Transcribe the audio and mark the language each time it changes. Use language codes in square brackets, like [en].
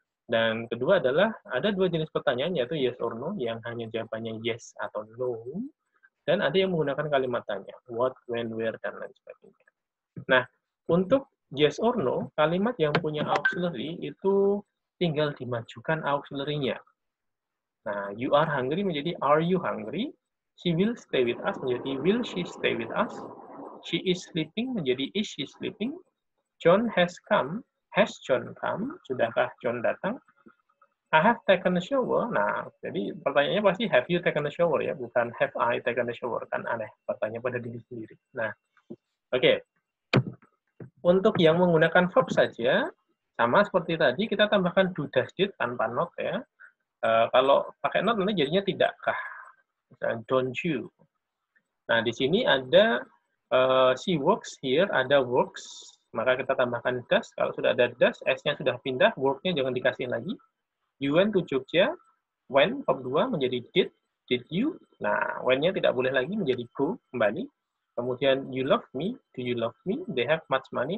[id] Dan kedua adalah ada dua jenis pertanyaan, yaitu yes or no, yang hanya jawabannya yes atau no, dan ada yang menggunakan kalimat tanya, what, when, where, dan lain sebagainya. Nah, untuk yes or no, kalimat yang punya auxiliary itu tinggal dimajukan auxiliary-nya. [en] Nah, you are hungry menjadi are you hungry, she will stay with us menjadi will she stay with us, she is sleeping menjadi is she sleeping, John has come, has John come? [id] Sudahkah John datang? [en] I have taken a shower. [id] Nah, jadi pertanyaannya pasti [en] have you taken a shower [id] ya, bukan [en] have I taken a shower, [id] kan aneh pertanyaan pada diri sendiri. Nah, oke. Untuk yang menggunakan verb saja, sama seperti tadi, kita tambahkan do, does, did tanpa not ya. Kalau pakai not, nanti jadinya tidakkah. Misalnya, [en] don't you. [id] Nah, di sini ada she works here, ada works, maka kita tambahkan does. Kalau sudah ada does, S-nya sudah pindah, work-nya jangan dikasih lagi. [en] You went to Jogja, when, verb 2, menjadi did you. [id] Nah, when-nya tidak boleh lagi, menjadi go, kembali. [en] Kemudian, you love me, do you love me, they have much money.